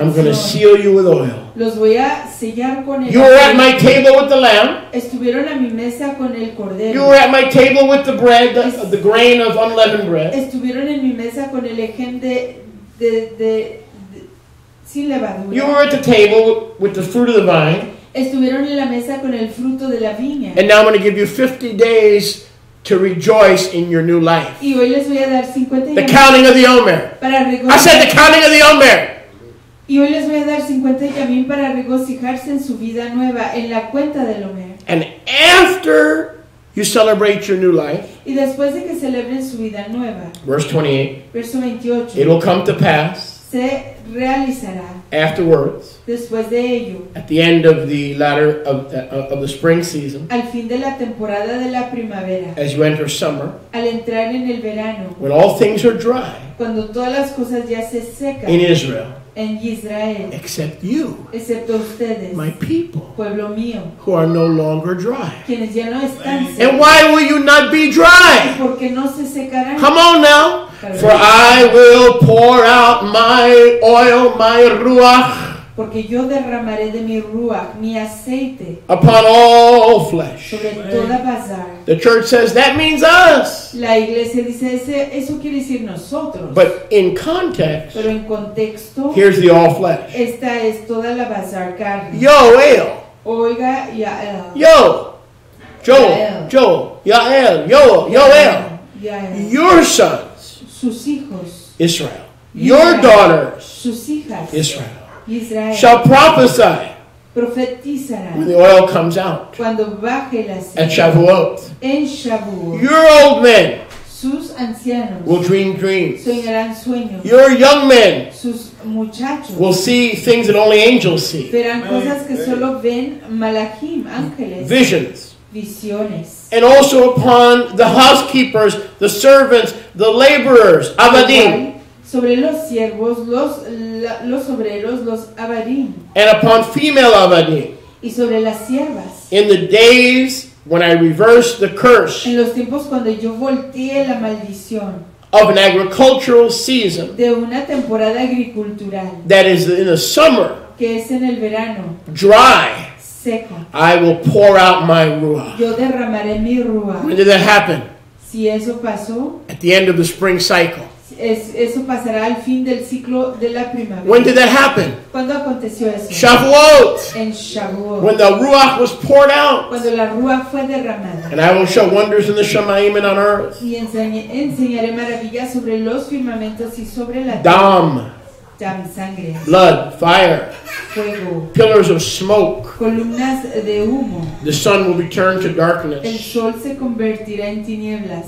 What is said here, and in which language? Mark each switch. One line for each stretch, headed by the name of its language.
English: I'm going to seal you with oil.
Spanish: Los voy a sellar con el.
English: You were at my table with the lamb.
Spanish: Estuvieron a mi mesa con el cordero.
English: You were at my table with the bread, the grain of unleavened bread.
Spanish: Estuvieron en mi mesa con el ejem de sin levadura.
English: You were at the table with the fruit of the vine.
Spanish: Estuvieron en la mesa con el fruto de la viña.
English: And now I'm going to give you 50 days to rejoice in your new life.
Spanish: Y hoy les voy a dar 50
English: yamim. The counting of the Omer.
Spanish: Para
English: I said the counting of the Omer.
Spanish: Y hoy les voy a dar 50 yamim para regocijarse en su vida nueva, en la cuenta del Omer.
English: And after you celebrate your new life.
Spanish: Y después de que celebren su vida nueva.
English: Verse 28.
Spanish: Verso 28.
English: It will come to pass.
Spanish: Se realizará.
English: Afterwards.
Spanish: Después de ello.
English: At the end of the latter of the spring season.
Spanish: Al fin de la temporada de la primavera.
English: As you enter summer.
Spanish: Al entrar en el verano.
English: When all things are dry.
Spanish: Cuando todas las cosas ya se secan.
English: In Israel.
Spanish: En Israel.
English: Except you.
Spanish: Excepto ustedes.
English: My people.
Spanish: Pueblo mío.
English: Who are no longer dry.
Spanish: Quienes ya no están secos.
English: And why will you not be dry?
Spanish: Porque no se secarán.
English: Come on now. For I will pour out my oil, my ruach.
Spanish: Porque yo derramaré de mi ruach, mi aceite.
English: Upon all flesh.
Spanish: Sobre toda bazar.
English: The church says that means us.
Spanish: La iglesia dice eso quiere decir nosotros.
English: But in context.
Spanish: Pero en contexto.
English: Here's the all flesh.
Spanish: Esta es toda la bazar carne.
English: Yo, Yael.
Spanish: Oiga, Yael.
English: Yo. Joel. Yael. Yo. Yoel.
Spanish: Yael.
English: Your son.
Spanish: Sus hijos,
English: Israel. Your daughters,
Spanish: sus hijas,
English: Israel,
Spanish: Israel,
English: shall prophesy
Spanish: profetizarán
English: when the oil comes out
Spanish: cuando baje el aceite,
English: at Shavuot.
Spanish: En Shavuot.
English: Your old men
Spanish: sus ancianos,
English: will dream dreams.
Spanish: Soñarán sueños.
English: Your young men
Spanish: sus muchachos,
English: will see things that only angels see.
Spanish: Verán cosas que solo ven malachim, ángeles.
English: Visions.
Spanish: Visiones.
English: And also upon the housekeepers, the servants, the laborers, abadim.
Spanish: Sobre los siervos, los obreros, los abadim.
English: And upon female abadim.
Spanish: Y sobre las siervas.
English: In the days when I reverse the curse.
Spanish: En los tiempos cuando yo volteé la maldición.
English: Of an agricultural season.
Spanish: De una temporada agricultural.
English: That is in the summer.
Spanish: Que es en el verano.
English: Dry.
Spanish: Seco.
English: I will pour out my ruach.
Spanish: Yo derramaré mi ruach.
English: When did that happen?
Spanish: Si eso pasó.
English: At the end of the spring cycle.
Spanish: Eso pasará al fin del ciclo de la primavera.
English: When did that happen?
Spanish: ¿Cuándo aconteció eso?
English: Shavuot.
Spanish: En Shavuot.
English: When the ruach was poured out.
Spanish: Cuando la ruach fue derramada.
English: And I will show wonders in the shamayim and on earth.
Spanish: Y enseñaré maravillas sobre los firmamentos y sobre la tierra.
English: Dam. Blood, fire,
Spanish: fuego,
English: pillars of smoke,
Spanish: columnas de humo.
English: The sun will return to darkness,
Spanish: el sol se convertirá en tinieblas.